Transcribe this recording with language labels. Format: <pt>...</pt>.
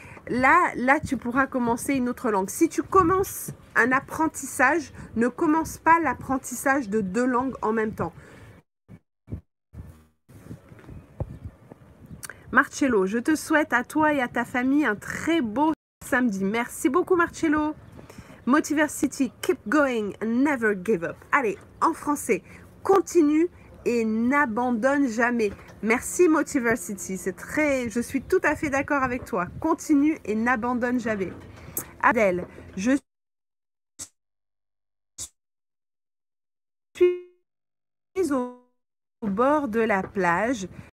<fr>Là, tu pourras commencer une autre langue. Si tu commences un apprentissage, ne commence pas l'apprentissage de deux langues en même temps. Marcello, je te souhaite à toi et à ta famille un très beau samedi. Merci beaucoup, Marcello.</fr> <en>Motiversity, keep going, never give up.</en> <fr>Allez, en français, continue et n'abandonne jamais. Merci Motiversity, je suis tout à fait d'accord avec toi. Continue et n'abandonne jamais. Adèle, je suis au bord de la plage.</fr>